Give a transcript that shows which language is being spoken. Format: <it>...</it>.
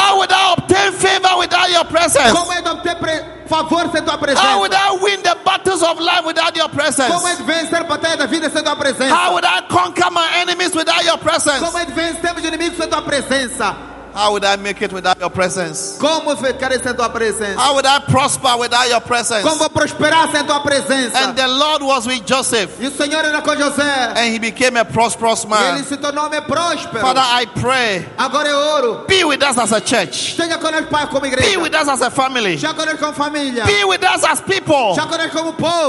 <en>How would I obtain favor without your presence?</en> <pt>Como eu obter favor sem tua presença?</pt> <en>How would I win the battles of life without your presence?</en> <pt>Como eu vencer a batalha da vida sem tua presença?</pt> <en>How would I conquer my enemies without your presence?</en> <pt>Como eu vencer meus inimigos sem tua presença?</pt> <en>How would I make it without your presence?</en> <pt>Como ficar sem tua presença?</pt> <en>How would I prosper without your presence?</en> <pt>Como prosperar sem tua presença?</pt> <en>And the Lord was with Joseph.</en> <pt>E o Senhor era com José.</pt> <en>And he became a prosperous man.</en> <pt>Ele se tornou um homem próspero.</pt> <en>Father, I pray.</en> <pt>Agora eu oro.</pt> <en>Be with us as a church.</en> <pt>Esteja conosco, Pai, como igreja.</pt> <en>Be with us as a family.</en> <pt>Esteja conosco como família.</pt> <en>Be with us as people.</en> <pt>Esteja conosco como povo.</pt>